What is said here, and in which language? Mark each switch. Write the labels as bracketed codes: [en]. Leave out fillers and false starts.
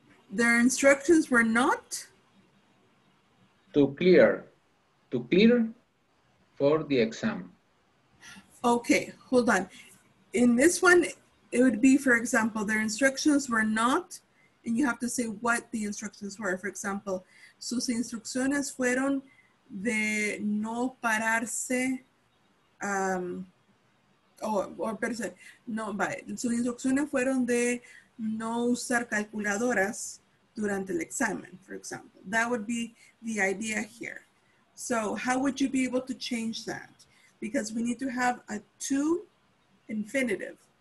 [en] Their instructions were not? To clear for the exam. Okay, hold on. In this one, it would be, for example, their instructions were not, and you have to say what the instructions were. For example, [es] sus instrucciones fueron de no pararse, sus instrucciones fueron de no usar calculadoras durante el examen, [en] for example. That would be the idea here. So how would you be able to change that? Because we need to have a to infinitive.